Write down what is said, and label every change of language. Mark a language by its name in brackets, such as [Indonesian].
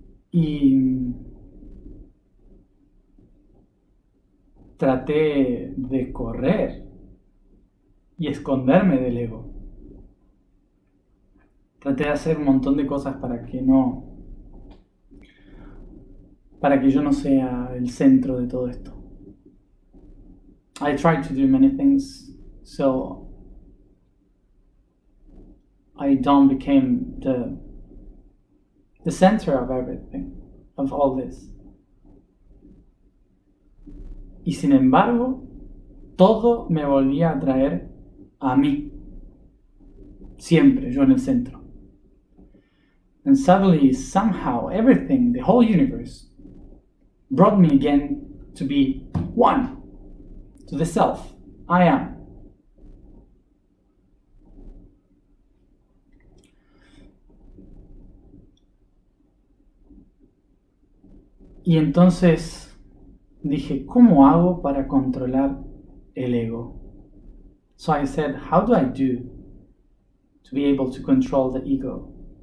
[Spanish] Y traté de correr y esconderme del ego. Traté de hacer un montón de cosas para que no para que yo no sea el centro de todo esto. [English] I tried to do many things so I don't became the center of everything, of all this. [Spanish] Y sin embargo, todo me volvía a traer a mí. Siempre yo en el centro. [English] And suddenly, somehow, everything, the whole universe, brought me again to be one, to the self, I am. [Spanish] Y entonces dije, ¿cómo hago para controlar el ego? [English] So I said, how do I do to be able to control the ego?